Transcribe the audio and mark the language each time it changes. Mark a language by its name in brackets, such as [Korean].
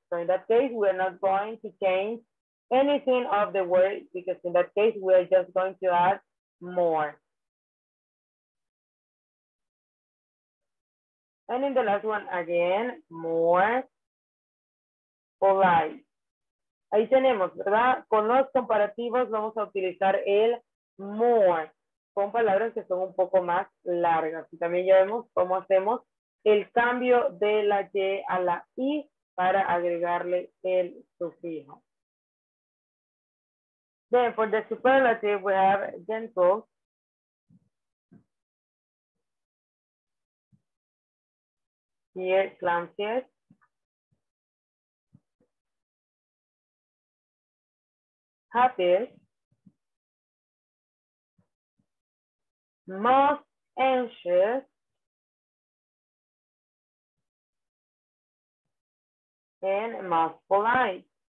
[English] So in that case, we are not going to change anything of the word, because in that case, we are just going to add more. And in the last one, again, more polite. [Spanish] Ahí tenemos, ¿verdad? Con los comparativos vamos a utilizar el more, con palabras que son un poco más largas. Y también ya vemos cómo hacemos el cambio de la Y a la I para agregarle el sufijo. [English] Then for the superlative, we have gentle, here clumsy, happy, most anxious, and most polite.